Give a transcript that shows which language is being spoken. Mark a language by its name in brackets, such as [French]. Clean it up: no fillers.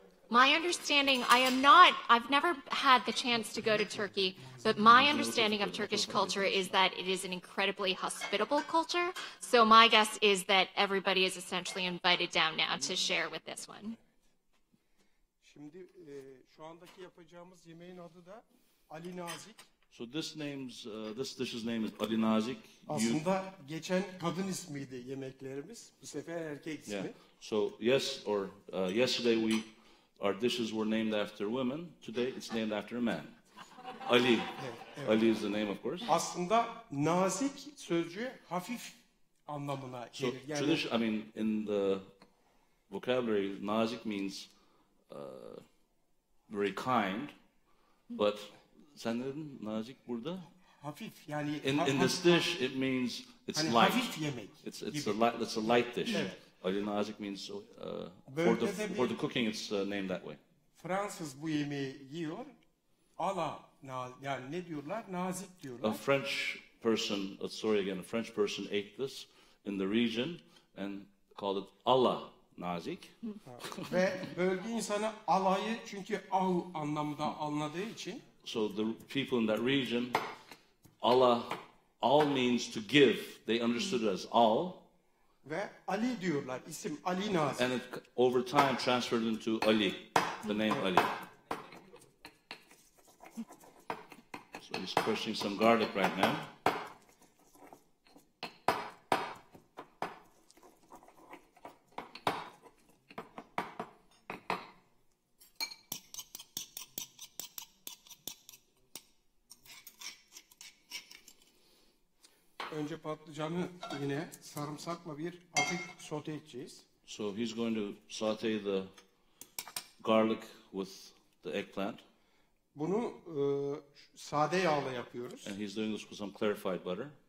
[English] My understanding, I've never had the chance to go to Turkey, but my understanding of Turkish culture is that it is an incredibly hospitable culture. So my guess is that everybody is essentially invited down now to share with this one. [Turkish] Şimdi şu andaki yapacağımız yemeğin adı da Ali Nazik. [English] So this dish's name is Ali Nazik. [Turkish] Aslında geçen kadın ismiydi yemeklerimiz. Bu sefer erkek ismi. [English] Yeah. So yes, or yesterday we our dishes were named after women. Today it's named after a man. Ali. [Turkish] Evet, evet. [English] Ali is the name, of course. [Turkish] Aslında nazik sözcüğü hafif anlamına gelir. [English] So yani, tradition, I mean, in the vocabulary, nazik means very kind, but [Turkish] sen dedin nazik burada? Hafif yani. [English] In this dish, it means it's [Turkish] hani [English] light. [Turkish] Hafif yemek. [English] It's a light dish. Evet. Ali nazik means for the cooking, it's named that way. [Turkish] Fransız bu yemeği yiyor, ala yani ne diyorlar? Nazik diyorlar. [English] A French person, sorry again, a French person ate this in the region and called it ala nazik. [Turkish] Ve bölge insanı alayı çünkü al anlamında anladığı için. [English] So the people in that region, Allah, al means to give. They understood it as al. [Turkish] Ve Ali diyorlar, isim Ali Nazik. [English] And it over time transferred into Ali, the name Ali. So he's crushing some garlic right now. [Turkish] Önce patlıcanı yine sarımsakla bir hafif sote edeceğiz. [English] So he's going to saute the garlic with the eggplant. [Turkish] Bunu sade yağla yapıyoruz. [English] And he's doing this with some clarified butter.